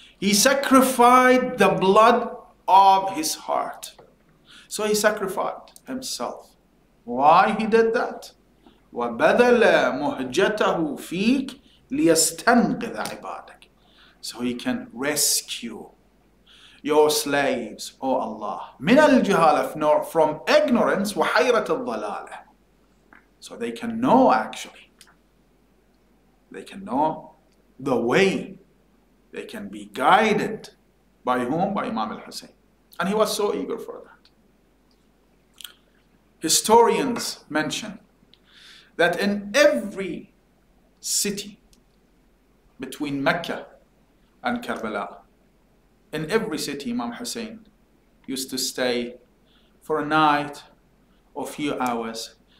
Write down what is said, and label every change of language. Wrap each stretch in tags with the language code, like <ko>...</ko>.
<en>He sacrificed the blood of his heart. So he sacrificed himself. Why he did that?</en> <ar>وَبَذَلَ مُهْجَتَهُ فِيكْ لِيَسْتَنْقِذَ عِبَادَكَ.</ar> <en>So he can rescue your slaves, O Allah.</en> <ar>مِنَ الْجِهَالَةِ,</ar> <en>from ignorance,</en> <ar>وَحَيْرَةِ الضَّلَالَةِ.</ar> <en>So they can know actually. They can know the way. They can be guided by whom? By Imam al-Hussein. And he was so eager for that. Historians mention that in every city between Mecca and Karbala, in every city Imam Hussein used to stay for a night or a few hours.</en>